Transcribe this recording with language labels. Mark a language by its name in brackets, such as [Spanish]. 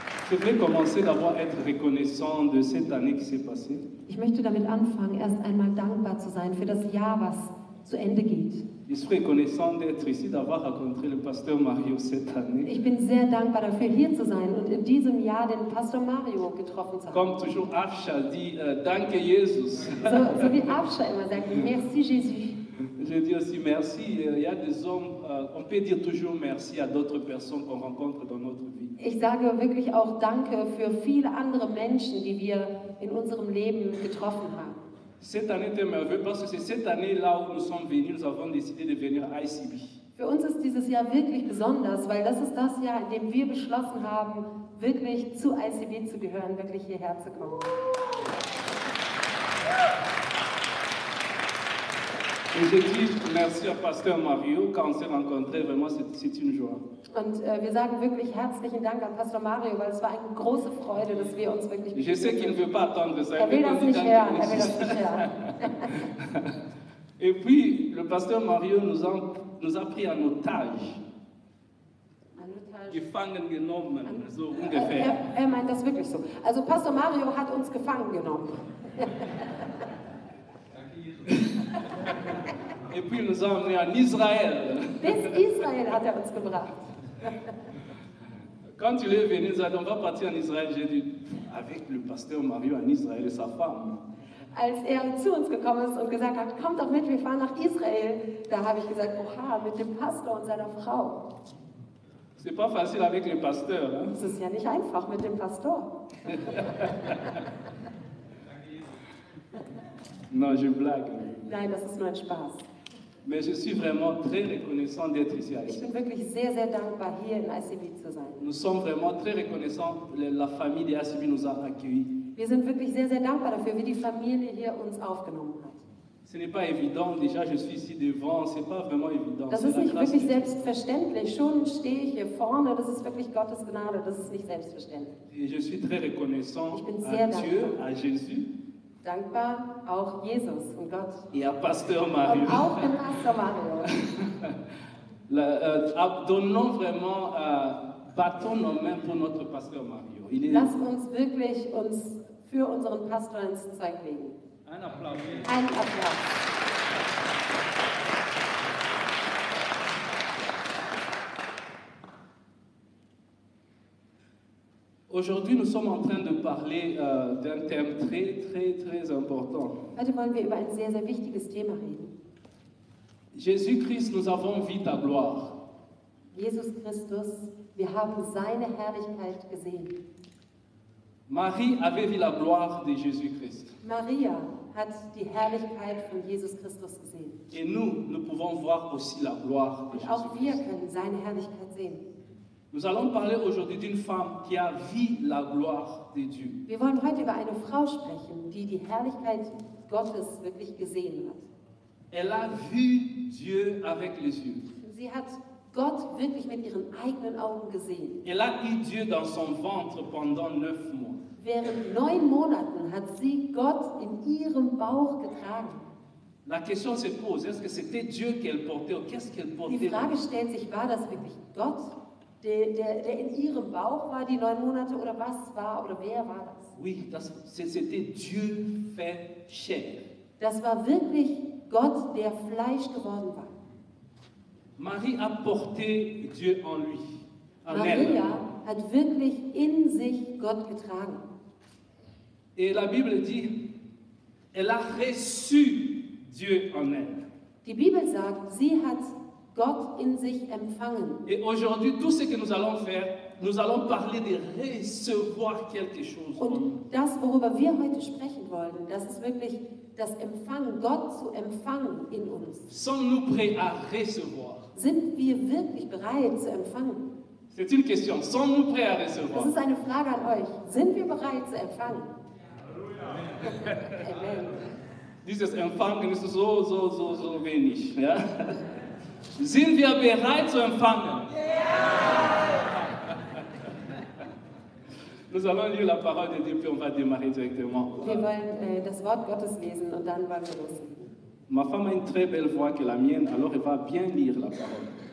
[French] Je vais commencer d'abord être reconnaissant de cette année qui s'est passée. [German] Ich möchte damit anfangen, erst einmal dankbar zu sein für das Jahr, was zu Ende geht. [French] Je suis reconnaissant d'être ici, d'avoir rencontré le pasteur Mario cette année. [German] Ich bin sehr dankbar dafür, hier zu sein und in diesem Jahr den Pastor Mario getroffen zu haben. [French] Comme toujours Afsha dit, [German] danke Jesus. So wie Afsha immer sagt, [French] merci Jésus. Je dis aussi merci. Il y a des hommes, on peut dire toujours merci à d'autres personnes qu'on rencontre dans notre vie. [German] Ich sage wirklich auch Danke für viele andere Menschen, die wir in unserem Leben getroffen haben. [French] Cette année était merveilleuse parce que c'est cette année là où nous sommes venus. Nous avons décidé de venir à ICB. [German] Für uns ist dieses Jahr wirklich besonders, weil das ist das Jahr, in dem wir beschlossen haben, wirklich zu ICB zu gehören, wirklich hierher zu kommen. [French] Et je dis merci à Pasteur Mario, quand on s'est rencontré, vraiment c'est une joie. [German] Und wir sagen wirklich herzlichen Dank an Pastor Mario, weil es war eine große Freude, dass wir uns wirklich. [French] Je sais qu'il ne veut pas attendre ça. [German] Er will das nicht hören. [French] Et puis le Pasteur Mario nous a pris en otage. [German] Gefangen genommen, so ungefähr. Er meint das wirklich so. Also Pastor Mario hat uns gefangen genommen. [French] Et puis nous a emmenés en Israël. [German] Bis Israël hat uns gebracht. [French] Quand il est venu, nous allons partir en Israël. J'ai dit avec le pasteur Mario en Israël et sa femme. [German] Als zu uns gekommen ist und gesagt hat, kommt doch mit, wir fahren nach Israel, da habe ich gesagt, oha, mit dem Pastor und seiner Frau. [French] C'est pas facile avec le pasteur. [German] Es ist ja nicht einfach mit dem Pastor. [French] Non, je blague. [German] Nein, das ist nur ein Spaß. [French] Mais je suis vraiment très reconnaissant d'être ici. [German] Ich bin wirklich sehr, sehr dankbar, hier in ICB zu sein. [French] Nous sommes vraiment très reconnaissants, la famille d'ICB nous a accueillis. [German] Wir sind wirklich sehr, sehr dankbar dafür, wie die Familie hier uns aufgenommen hat. [French] Ce n'est pas évident, déjà je suis ici devant, c'est pas vraiment évident. [German] Das ist nicht wirklich selbstverständlich, schon stehe ich hier vorne, das ist wirklich Gottes Gnade, das ist nicht selbstverständlich. [French] Et je suis très reconnaissant à Dieu, à Jésus. [German] Dankbar auch Jesus und Gott. [French] Ja, Pasteur Mario. [German] Und auch dem Pastor Mario. [French] Donnons vraiment bâtons nos mains pour notre Pasteur Mario. [German] Lass uns wirklich uns für unseren Pastor ins Zeug legen. Ein Applaus. Ein Applaus. [French] Aujourd'hui, nous sommes en train de parler d'un thème très, très, très important. [German] Heute wollen wir über ein sehr, sehr wichtiges Thema reden. [French] Jésus-Christ, nous avons vu ta gloire. [German] Jesus Christus, wir haben seine Herrlichkeit gesehen. [French] Marie avait vu la gloire de Jésus-Christ. [German] Maria hat die Herrlichkeit von Jesus Christus gesehen. [French] Et nous pouvons voir aussi la gloire de Jésus-Christ. [German] Auch wir können seine Herrlichkeit sehen. [French] Nous allons parler aujourd'hui d'une femme qui a vu la gloire de Dieu. [German] Wir wollen heute über eine Frau sprechen, die die Herrlichkeit Gottes wirklich gesehen hat. [French] Elle a vu Dieu avec les yeux. [German] Sie hat Gott wirklich mit ihren eigenen Augen gesehen. [French] Elle a eu Dieu dans son ventre pendant 9 mois. [German] Während 9 Monaten hat sie Gott in ihrem Bauch getragen. [French] La question se pose, est-ce que c'était Dieu qu'elle portait ou qu'est-ce qu'elle portait? [German] Die Frage stellt sich, war das wirklich Gott? Der in ihrem Bauch war die 9 Monate oder was war oder wer war das? [French] Oui, c'était Dieu fait chair. [German] Das war wirklich Gott, der Fleisch geworden war. [French] Marie a porté Dieu en lui. [German] Maria hat wirklich in sich Gott getragen. [French] Et la Bible dit, elle a reçu Dieu en elle. [German] Die Bibel sagt, sie hat Gott in sich empfangen. [French] Et aujourd'hui, tout ce que nous allons faire, nous allons parler de recevoir quelque chose. [German] Und das, worüber wir heute sprechen wollen, das ist wirklich das Empfangen, Gott zu empfangen in uns. [French] Sommes-nous prêts à recevoir? [German] Sind wir wirklich bereit zu empfangen? [French] C'est une question. Sommes-nous prêts à recevoir? [German] Das ist eine Frage an euch. Sind wir bereit zu empfangen? Halleluja. Dieses Empfangen ist so wenig. Ja? Sind wir bereit zu empfangen? Ja! [French] Nous allons lire la parole de Dieu, puis on va démarrer directement. [German] Wir wollen das Wort Gottes lesen und dann wollen wir loslegen. [French] Ma femme a une très belle voix que la mienne, alors elle va bien lire la parole.